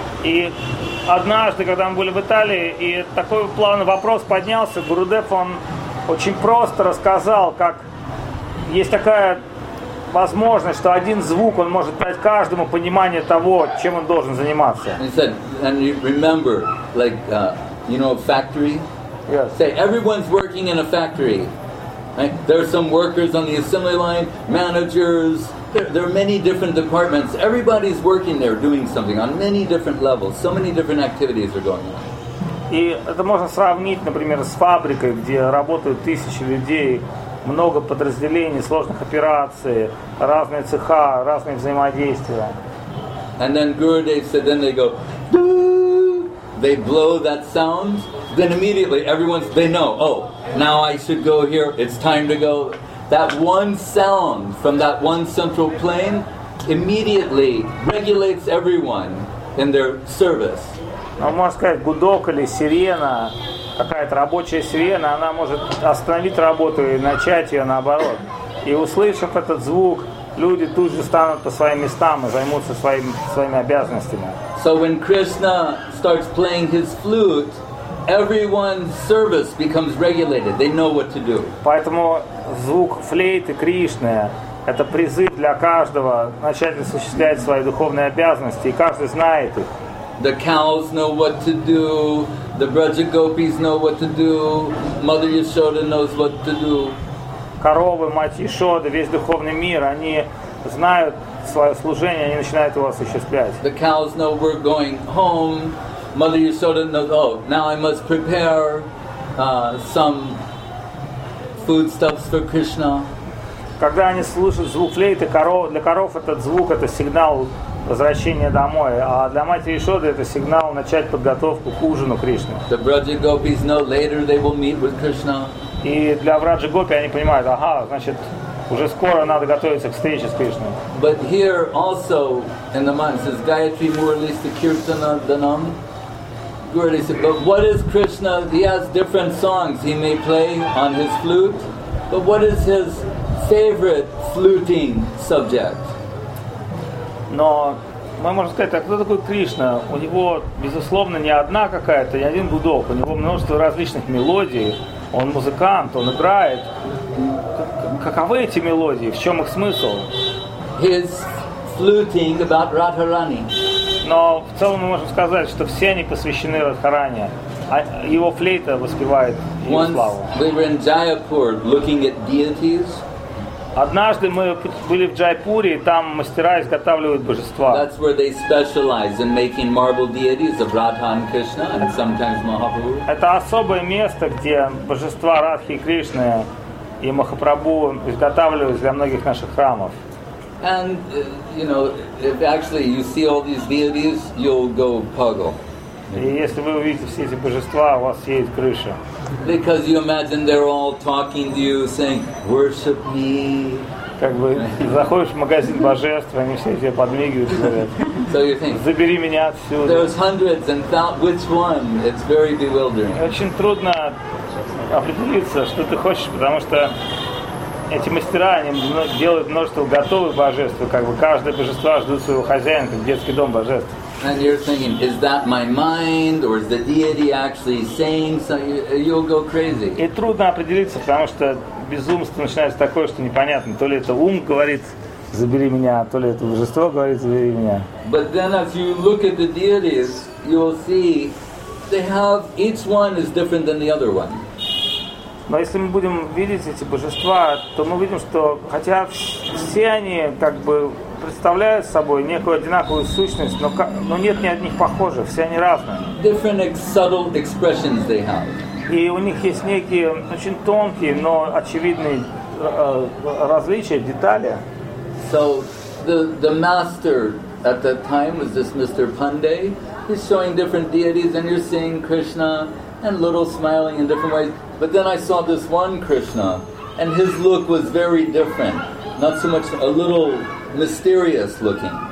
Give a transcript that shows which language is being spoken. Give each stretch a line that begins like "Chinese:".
Russian: И однажды, когда мы были в Италии, и такой плавный вопрос поднялся, Гурудев, он очень просто рассказал, как есть такая возможность, что один звук, он может дать каждому понимание того, чем он должен заниматься.
English: He said, and you remember, like, you know, a factory? Yes. Say, everyone's working in a factory. Right? There are some workers on the assembly line, managers. There are many different departments. Everybody's working there, doing something on many different levels. So many different activities are going on.
Russian: И это можно сравнить, например, с фабрикой, где работают тысячи людей, много подразделений, сложных операций, разные цеха, разные взаимодействия.
English: And then Gurudev said, then they go, doo! They blow that sound. Then immediately everyone's, they know, oh, now I should go here, it's time to go. That one sound from that one central plane immediately regulates everyone in their service.
Russian: Ну, можно сказать, гудок или сирена, какая-то рабочая сирена, она может остановить работу и начать ее наоборот. И услышав этот звук, люди тут же станут по своим местам и займутся своими обязанностями.
English: So when Krishna starts playing his flute, everyone's service becomes regulated. They know what to do.
Russian: Поэтому звук флейты Кришны – это призыв для каждого начать осуществлять свои духовные обязанности, и каждый знает их.
English: The cows know what to do, the Braja Gopis know what to do, Mother Yashoda knows what to do.
Russian: Коровы, мать Ишода, весь духовный мир, они знают свое служение, они начинают его осуществлять.
English: The cows know we're going home. Mother Yashoda knows, oh, now I must prepare some foodstuffs for Krishna.
Russian: Когда они слышат звук флейты, для коров этот звук – это сигнал возвращения домой, а для матери Ишоды это сигнал начать подготовку к ужину Кришны.
English: The Braja Gopis know later they will meet with Krishna.
Russian: И для Враджи Гопи они понимают, ага, значит, уже скоро надо готовиться к встрече с Кришной.
English: But here also in the mind says Gayatri Murlista Kirtana Dhanam. Gurudev said, but what is Krishna? He has different songs he may play on his flute, but what is his favorite fluting subject?
Russian: Но мы можем сказать, а кто такой Кришна? У него, безусловно, не одна какая-то, не один гудок. У него множество различных мелодий. Он музыкант, он играет. Каковы эти мелодии? В чем их смысл?
English: His fluting about Radharani.
Russian: Но в целом мы можем сказать, что все они посвящены Радхаране. А его флейта воспевает его славу.
English: Once we were in Jaipur looking at deities.
Russian: Однажды мы были в Джайпуре, и там мастера изготавливают божества.
English: That's where they specialize in making marble deities of Radha and Krishna and sometimes Mahaprabhu.
Russian: Это особое место, где божества Радхи и Кришны и Махапрабху изготавливаются для многих наших храмов.
English: And you know, if actually you see all these deities, you'll go puggle.
Russian: И если вы увидите все эти божества, у вас съедет крыша.
English: Because you imagine they're all talking to you, saying, "Worship me."
Russian: Как бы заходишь в магазин божеств, они все тебе подмигивают, говорят.
English: So you think,
Russian: "Забери меня отсюда."
English: There's hundreds and which one? It's very bewildering.
Russian: Очень трудно определиться, что ты хочешь, потому что эти мастера, они делают множество готовых божеств, как бы каждое божество ждет своего хозяина, как детский дом божеств.
English: And you're thinking, is that my mind, or is the deity actually saying something? You'll go crazy.
Russian: И трудно определиться, потому что безумство начинается такое, что непонятно, то ли это ум говорит, забери меня, то ли это божество говорит, забери меня.
English: But then, as you look at the deities, you'll see they have each one is different than the other one.
Russian: Но если мы будем видеть эти божества, то мы видим, что хотя все они как бы представляют собой некую одинаковую сущность, но нет ни одних похожих, все они разные.
English: Different subtle expressions they have.
Russian: И у них есть некие очень тонкие, но очевидные различия, детали.
English: So the master at that time was this Mr. Pandey. He's showing different deities, and you're seeing Krishna and little smiling in different ways. But then I saw this one Krishna, and his look was very different. Not so much a little mysterious looking.